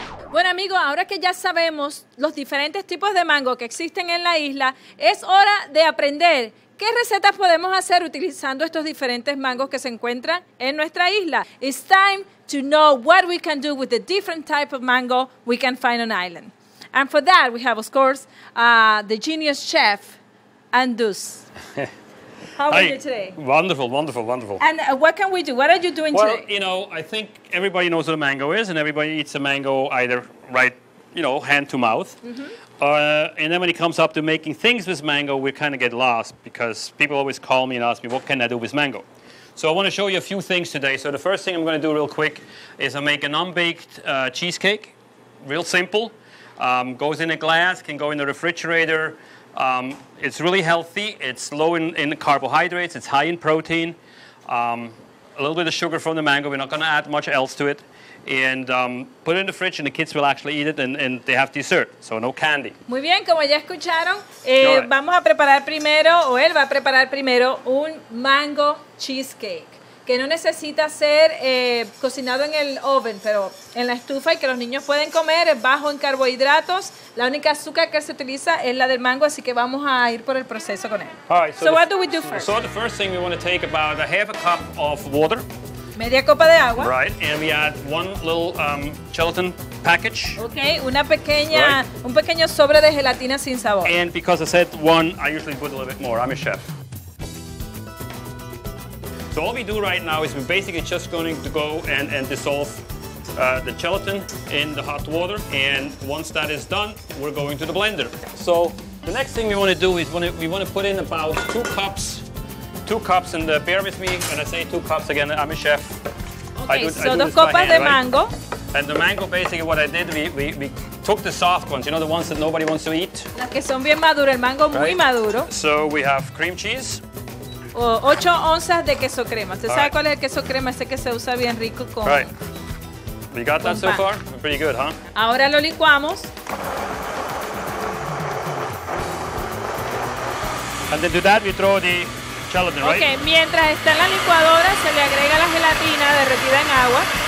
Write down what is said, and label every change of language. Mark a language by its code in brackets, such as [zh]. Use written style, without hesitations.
[es] Bueno, amigo, ahora que ya sabemos los diferentes tipos de mango que existen en la isla, es hora de aprender. ¿Qué recetas podemos hacer utilizando estos diferentes mangos que se encuentran en nuestra isla? [en] It's time to know what we can do with the different type of mango we can find on island. And for that, we have, of course, the genius chef, Andus. How are you today? Wonderful. And what can we do? What are you doing well, today? Well, you know, I think everybody knows what a mango is, and everybody eats a mango either right, you know, hand to mouth. Mm-hmm. And then when it comes up to making things with mango, we kind of get lost because people always call me and ask me, what can I do with mango? So I want to show you a few things today. So the first thing I'm going to do real quick is I make an unbaked cheesecake, real simple. Goes in a glass, can go in the refrigerator. It's really healthy. It's low in carbohydrates. It's high in protein. A little bit of sugar from the mango. We're not going to add much else to it. And put it in the fridge, and the kids will actually eat it, and they have dessert, so no candy. [es] Muy bien, como ya escucharon, vamos a preparar primero, o él va a preparar primero, un mango cheesecake, que no necesita ser cocinado en el oven, pero en la estufa, y que los niños pueden comer, es bajo en carbohidratos. La única azúcar que se utiliza es la del mango, así que vamos a ir por el proceso con él. [en] All right, so what do we do first? So the first thing we want to take about a half a cup of water. [es] Media copa de agua. [en] Right, and we add one little gelatin package. [es] Okay, una pequeña, right. Un pequeño sobre de gelatina sin sabor. [en] And because I said one, I usually put a little bit more. I'm a chef. So all we do right now is we're basically just going to go and dissolve the gelatin in the hot water. And once that is done, we're going to the blender. So the next thing we want to do is we want to put in about two cups, and bear with me when I say two cups again, I'm a chef. [es] Okay, dos copas de mango. [en] Right? And the mango, basically what I did, we took the soft ones, you know, the ones that nobody wants to eat. [es] Las que son bien maduras, el mango right. Muy maduro. [en] So we have cream cheese. [es] 8 onzas de queso crema. ¿Usted sabe cuál es el queso crema? Ese que se usa bien rico con [en] right. We got that so far? Pretty good, huh? [es] Ahora lo licuamos. [en] And then to that we throw the gelatin, okay, right? [es] Mientras está en la licuadora, se le agrega la gelatina derretida en agua.